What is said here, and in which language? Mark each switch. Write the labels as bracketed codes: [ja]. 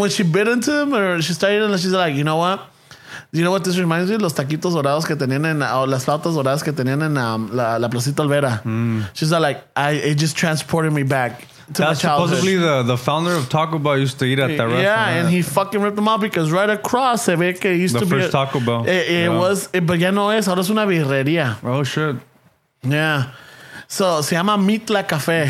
[en] When she bit into them, or she started eating, she's like, you know what? [es] You know what this reminds me? Los taquitos dorados que tenían en... O las flautas doradas que tenían en la Placita Olvera. Mm. [en] She's like, it just transported me back to That's my childhood. Supposedly the founder of Taco Bell used to eat at that restaurant. Yeah, and he fucking ripped them out because right across, se ve que used the to be... The first Taco Bell. [es] But ya no es. Ahora es una birrería. [en] Oh, shit. [es] Yeah. So, se llama Mitla Café.